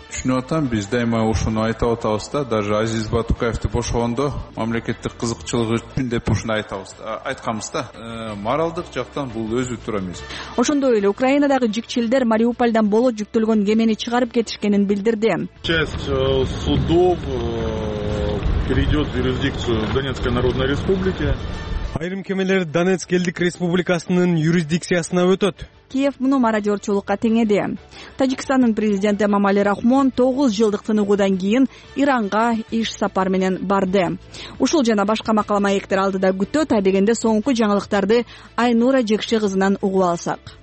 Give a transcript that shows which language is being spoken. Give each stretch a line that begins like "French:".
Kyrgyz: Түшүнүп атам, биз дайыма ушуну айтып атабыз да, даже Азиз Батукаевди бошогондо мамлекеттик кызыкчылыгы үчүн деп ушуну айтабыз да, айтканбыз да. Моралдык жактан бул өзү туура эмес. Ошондой эле Украинадагы жүкчилдер Мариупольдан боло жүктөлгөн кемени чыгарып кетишкенин билдирди.
Russian: Часть судов перейдет в юрисдикцию Донецкой Народной Республики.
Kyrgyz: Айрым кемелер Донецк элдик республикасынын юрисдикциясына өтөт. Киев муну мародерчулукка теңеди. Тажикстандын президенти Мамали Рахмон 9 жылдык тыныгуудан кийин Иранга иш сапар менен барды. Ушул жана башка макала маектер алдыда күтөт. Адегенде соңку жаңылыктарды Айнура Жекши кызынан угуп алсак.